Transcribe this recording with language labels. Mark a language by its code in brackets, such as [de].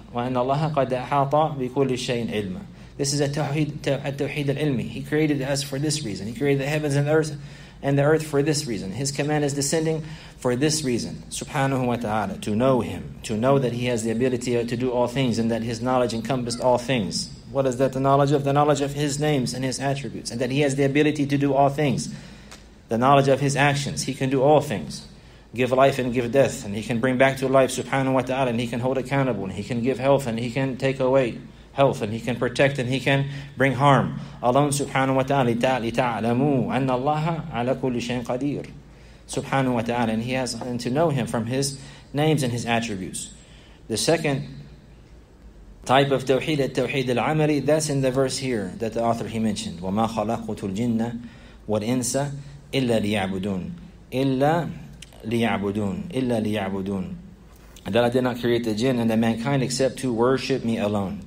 [ar] وأن الله قد أحاط بكل شيء علما. [en] This is a tawheed, التوحيد العلمي. He created us for this reason. He created the heavens and the earth for this reason. His command is descending for this reason. [ar] سبحانه وتعالى. [en] To know Him. To know that He has the ability to do all things and that His knowledge encompassed all things. What is that the knowledge of? The knowledge of His names and His attributes. And that He has the ability to do all things. The knowledge of His actions. He can do all things. Give life and give death. And He can bring back to life, subhanahu wa ta'ala. And He can hold accountable. And He can give health. And He can take away health. And He can protect. And He can bring harm. Alone, subhanahu wa ta'ala. [ar] لِتَعْلَمُوا أَنَّ اللَّهَ عَلَى كُلِّ شَيْءٍ قَدِيرٍ Subhanahu wa ta'ala. [en] And He has and to know Him from His names and His attributes. The second type of tawheed, at-tawheed al-amali, that's in the verse here that the author, he mentioned. [ar] وَمَا خَلَقْتُ الْجِنَّ وَالْإِنسَ إِلَّا لِيَعْبُدُونَ [en] إِلَّا لِيَعْبُدُونَ إِلَّا لِيَعْبُدُونَ That I did not create the jinn and the mankind except to worship me alone.